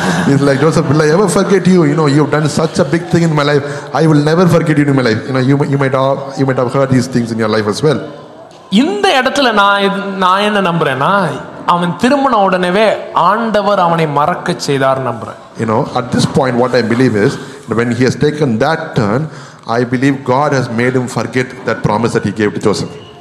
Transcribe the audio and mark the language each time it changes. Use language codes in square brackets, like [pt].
[en] It's like Joseph, will I ever forget you? You know, you've done such a big thing in my life. I will never forget you in my life. You know, you might have heard these things in your life as well. [ta] இந்த இடத்துல நான் என்ன நம்புறேன்னா, அவன் திரும்பின உடனே ஆண்டவர் அவனை மறக்க செய்தார் நம்புறேன். [en] You know, at this point what I believe is when he has taken that turn, I believe God has made him forget that promise that he gave to Joseph.